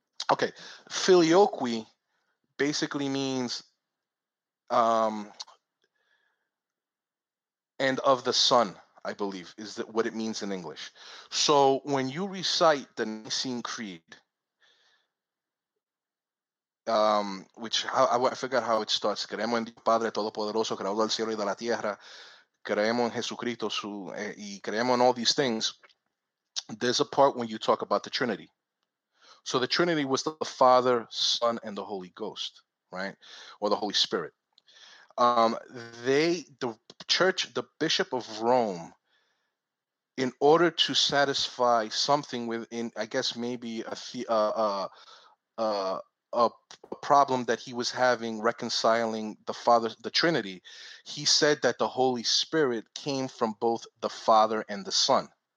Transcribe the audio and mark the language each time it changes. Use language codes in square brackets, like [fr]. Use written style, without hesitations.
[en] Okay, filioque basically means and of the Son, I believe, is that what it means in English. So when you recite the Nicene Creed, which I forgot how it starts. [es] Creemos en Dios Padre Todopoderoso, creador del cielo y de la tierra. Creemos en Jesucristo y creemos en [en] all these things. There's a part when you talk about the Trinity. So the Trinity was the Father, Son, and the Holy Ghost, right? Or the Holy Spirit. The Bishop of Rome, in order to satisfy something within, I guess maybe a problem that he was having reconciling the Father, the Trinity, he said that the Holy Spirit came from both the Father and the Son.